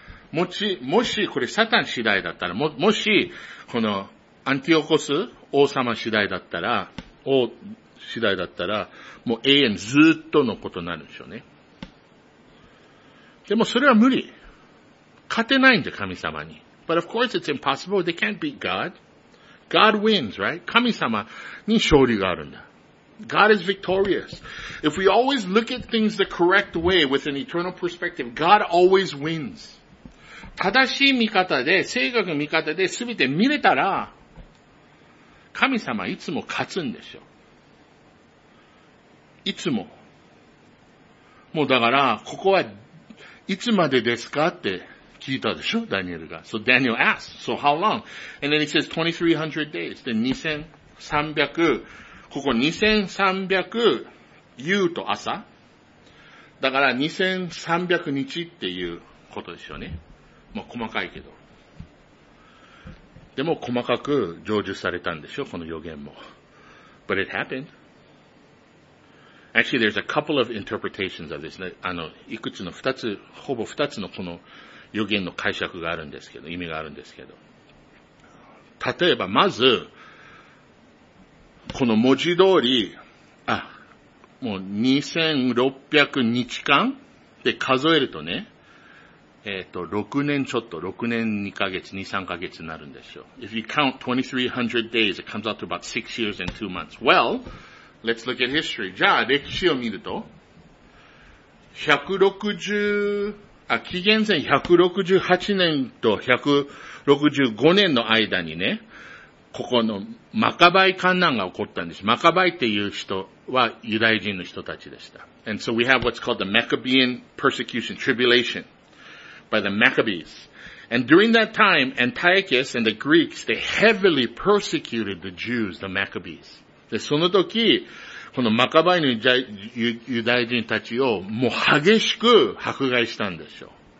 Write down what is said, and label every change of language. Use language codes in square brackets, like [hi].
[ja] もしこれサタン次第だったら、もしこのアンティオコス王様次第だったら、王次第だったら、もう永遠ずっとのことになるんでしょうね。でもそれは無理。勝てないんで神様に。 [en] But of course it's impossible. They can't beat God. God wins, right? 神様に勝利があるんだ。 God is victorious. If we always look at things the correct way with an eternal perspective, God always wins. [ja] 正しい見方で、正確な見方で全て見れたら、神様いつも勝つんでしょ。いつも。もうだから、ここはいつまでですかって聞いたでしょ、ダニエルが。 [en] So Daniel asked, so how long? And then he says 2300 days. [ja] で、2300、ここ2300夕と朝。だから2300日っていうことですよね。まあ細かいけど。でも細かく成就されたんでしょ、この予言も。 [en] But it happened. Actually, there's a couple of interpretations of this. [ja] あの、いくつの二つ、ほぼ二つのこの予言の解釈があるんですけど、意味があるんですけど。例えば、まず、この文字通り、あ、もう2600日間で数えるとね、6年ちょっと、6年2ヶ月、2、3ヶ月になるんですよ。 [en] If you count 2300 days, it comes out to about 6 years and 2 months. Well,Let's look at history. [ja] じゃあ歴史を見ると、紀元前168年と165年の間にね、ここのマカバイ観難が起こったんです。マカバイっていう人はユダヤ人の人たちでした。 [en] And so we have what's called the Maccabean persecution, tribulation by the Maccabees. And during that time, Antiochus and the Greeks, they heavily persecuted the Jews, the Maccabees. [ja] で、その時、このマカバイのユダヤ人たちをもう激しく迫害したんですよ。